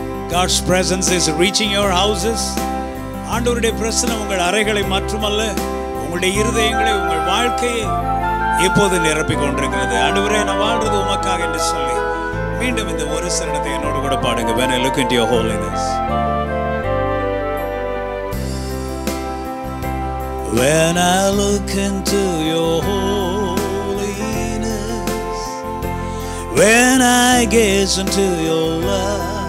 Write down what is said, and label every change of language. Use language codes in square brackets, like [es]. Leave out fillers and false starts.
[en] God's presence is reaching your houses. [ta] ஆண்டவருடைய பிரசன்னம் உங்கள் அறைகளை மட்டுமல்ல உங்களுடைய இருதயங்களை உங்கள் வாழ்க்கையை இப்போது நிரப்பிக் கொண்டிருக்கிறது. ஆண்டவரே, நான் வாழ்றது உமக்காக என்று சொல்லி மீண்டும் இந்த ஒரு சரணத்தை என்னோடு கூட பாடுங்க. [en] When I look into your holiness. When I look into your holiness. When I gaze into your love.